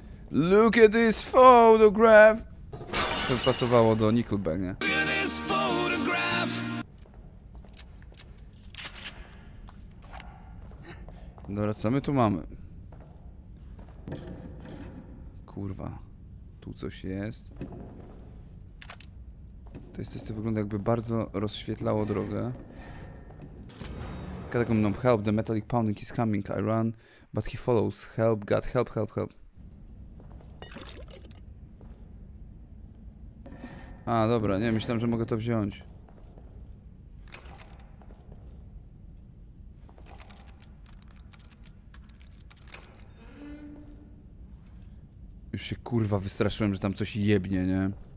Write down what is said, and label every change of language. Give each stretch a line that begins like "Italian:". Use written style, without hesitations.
English: Look at this photograph!
Polish: To pasowało do Nickelback, nie? Dobra, co my tu mamy? Kurwa, tu coś jest. To jest coś, co wygląda jakby bardzo rozświetlało drogę.
English: Catacomb Gnome, help, the metallic pounding is coming, I run, but he follows, help, God, help, help, help.
Polish: A, dobra, nie, myślałem, że mogę to wziąć. Już się kurwa wystraszyłem, że tam coś jebnie, nie?